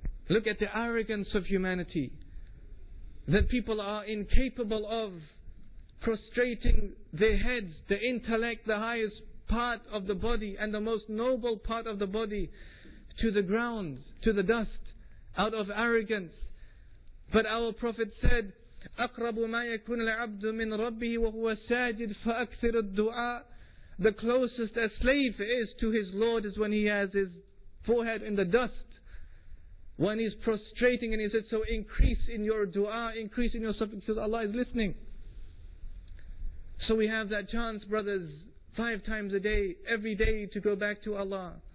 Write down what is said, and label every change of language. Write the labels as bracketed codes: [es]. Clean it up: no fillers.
[en] Look at the arrogance of humanity, that people are incapable of prostrating their heads, the intellect, the highest part of the body and the most noble part of the body, to the ground, to the dust, out of arrogance. But our Prophet said, [ar] أقرب ما يكون العبد من ربه وهو ساجد فأكثر الدعاء. [en] The closest a slave is to his Lord is when he has his forehead in the dust, when he's prostrating, and he said, so increase in your dua, increase in your supplication, because Allah is listening. So we have that chance, brothers, 5 times a day, every day, to go back to Allah.